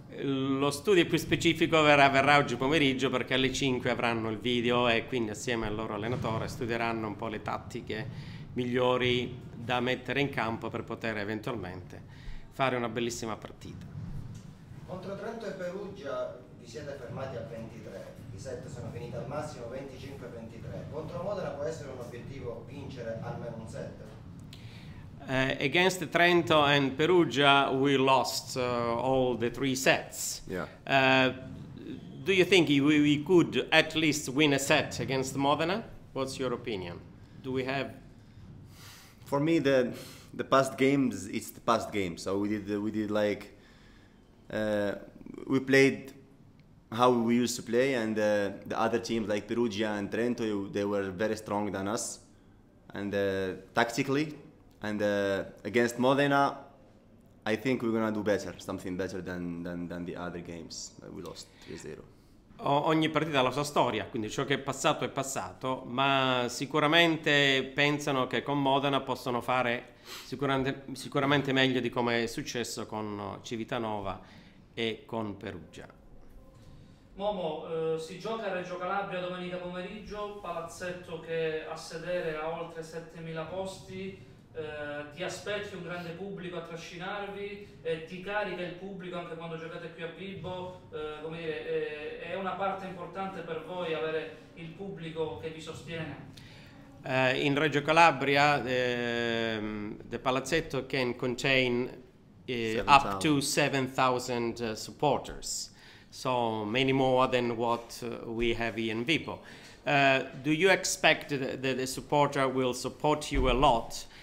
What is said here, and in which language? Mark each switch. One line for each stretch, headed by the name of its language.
Italian: Lo studio più specifico verrà oggi pomeriggio, perché alle 5 avranno il video e quindi assieme al loro allenatore studieranno un po' le tattiche migliori da mettere in campo per poter eventualmente fare una bellissima partita. Contro Trento e Perugia vi siete fermati a 23, i set sono finiti al massimo 25-23. Contro Modena può essere un obiettivo vincere almeno un set?
English: Against Trento and Perugia we lost all the three sets. Yeah. Do you think we could at least win a set against Modena? What's your opinion? Do we have? For me the past games, it's the past game. So we played how we used to play, and the other teams like Perugia and Trento, they were very strong than us, and tactically, and against Modena, I think we're gonna do better, something better than the other games that we lost 3-0.
Italian: Ogni partita ha la sua storia, quindi ciò che è passato, ma sicuramente pensano che con Modena possono fare sicuramente meglio di come è successo con Civitanova e con Perugia. Momo, si gioca a Reggio Calabria domenica pomeriggio, palazzetto che a sedere ha oltre 7.000 posti, ti aspetti un grande pubblico a trascinarvi, ti carica il pubblico anche quando giocate qui a Bilbo, come dire, è una parte importante per voi avere il pubblico che vi sostiene?
English: In Reggio Calabria the palazzetto can contain 7, up to 7,000 supporters, so many more than what we have in Bilbo. Do you expect that the supporter will support you a lot?